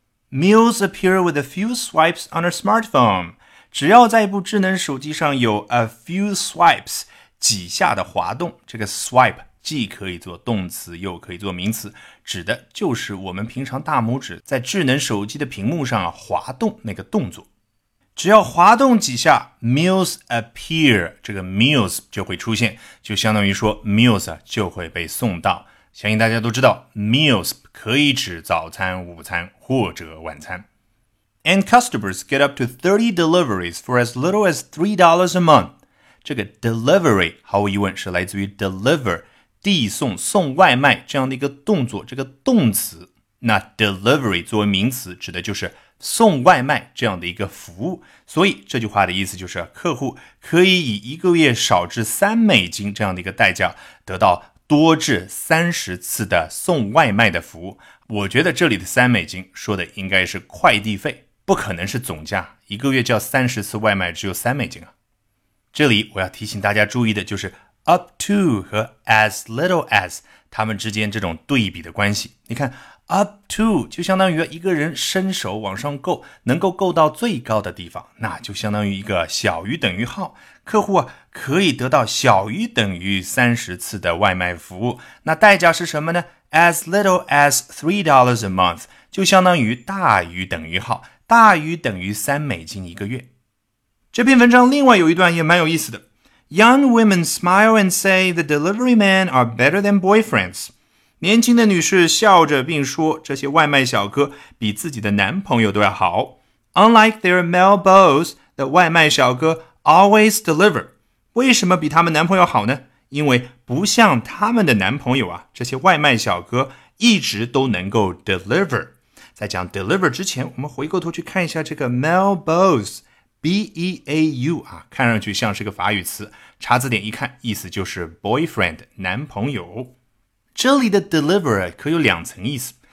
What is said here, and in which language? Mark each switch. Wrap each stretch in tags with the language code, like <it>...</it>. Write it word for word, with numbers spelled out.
<en>Meals appear with a few swipes on a smartphone，</en> <zh>只要在一部智能手机上有</zh> <en>a few swipes</en> <zh>几下的滑动，这个 swipe既可以做动词又可以做名词，指的就是我们平常大拇指在智能手机的屏幕上滑动那个动作。只要滑动几下</zh> <en>meals appear，</en> <zh>这个 meals 就会出现，就相当于说 meals、啊、就会被送到。相信大家都知道 meals 可以指早餐、午餐或者晚餐。</zh> <en>And customers get up to thirty deliveries for as little as three dollars a month。</en> <zh>这个 delivery 毫无疑问是来自于 deliver递送、送外卖这样的一个动作，这个动词。那 delivery 作为名词指的就是送外卖这样的一个服务，所以这句话的意思就是客户可以以一个月少至三美金这样的一个代价得到多至三十次的送外卖的服务。我觉得这里的三美金说的应该是快递费，不可能是总价，一个月叫三十次外卖只有三美金啊。这里我要提醒大家注意的就是</zh> <en>up to</en> <zh>和</zh> <en>as little as</en> <zh>他们之间这种对比的关系。你看</zh> <en>up to</en> <zh>就相当于一个人伸手往上够，能够够到最高的地方，那就相当于一个小于等于号，客户啊可以得到小于等于三十次的外卖服务。那代价是什么呢？</zh> <en>as little as three dollars a month</en> <zh>就相当于大于等于号，大于等于三美金一个月。这篇文章另外有一段也蛮有意思的，</zh> <en>Young women smile and say the delivery men are better than boyfriends.</en> <zh>年轻的女士笑着并说，这些外卖小哥比自己的男朋友都要好。</zh> <en>Unlike their male boss, the</en> <zh>外卖小哥</zh> <en>always deliver.</en> <zh>为什么比他们男朋友好呢？因为不像他们的男朋友啊，这些外卖小哥一直都能够 deliver. 在讲 deliver 之前，我们回过头去看一下这个</zh> <en>male boss.</en> <zh>B E A U 啊，看上去像是个法语词，查字典一看，意思就是 boyfriend 男朋友。这里的 deliver 可有两层意思，</zh>